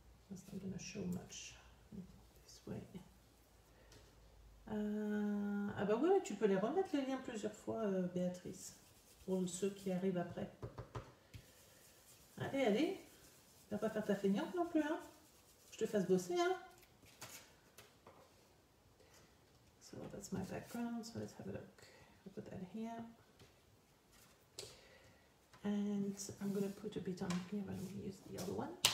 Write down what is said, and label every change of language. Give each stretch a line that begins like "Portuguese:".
English: That's not going to show much this way.
French: Ah bah ouais, tu peux les remettre les liens plusieurs fois, Béatrice, pour ceux qui arrivent après. Allez, allez, tu vas pas faire ta feignante non plus, hein. Je te fasse bosser, hein.
English: So that's my background, so let's have a look. I'll put that here. And I'm going to put a bit on here and use the other one.